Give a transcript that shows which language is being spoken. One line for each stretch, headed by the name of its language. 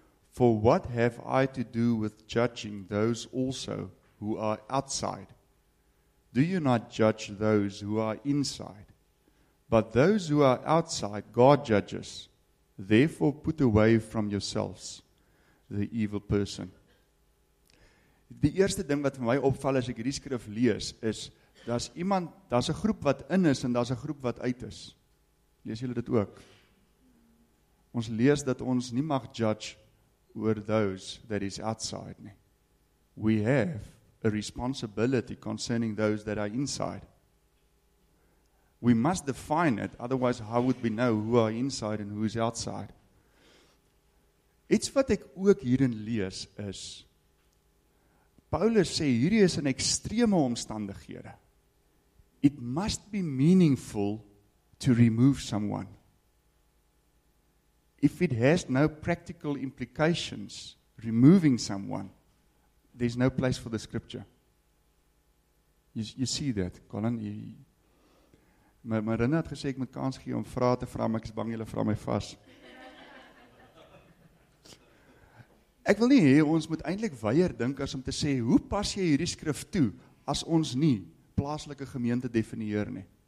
English: For what have I to do with judging those also who are outside? Do you not judge those who are inside? But those who are outside, God judges. Therefore put away from yourselves the evil person.
Afrikaans: Die eerste ding wat vir my opval as ek hierdie skrif lees, is, daar's 'n groep wat in is, en daar's 'n groep wat uit is. Lees julle dit ook? Ons lees dat ons nie mag judge oor those that is outside nie.
English: We have a responsibility concerning those that are inside. We must define it, otherwise how would we know who are inside and who is outside?
Afrikaans: Iets wat ek ook hierin lees is, Paulus sê, hierdie is in extreme omstandighede.
English: It must be meaningful to remove someone. If it has no practical implications, removing someone, there's no place for the scripture. You see that, Colin?
Afrikaans: Marina het gesê, ek moet kans gee om vraag te vraag, maar ek is bang julle vraag my vas. Ek wil nie hê ons moet eintlik weier dink as om te sê, hoe pas jy hierdie skrif toe, as ons nie plaaslike gemeente definieer nie?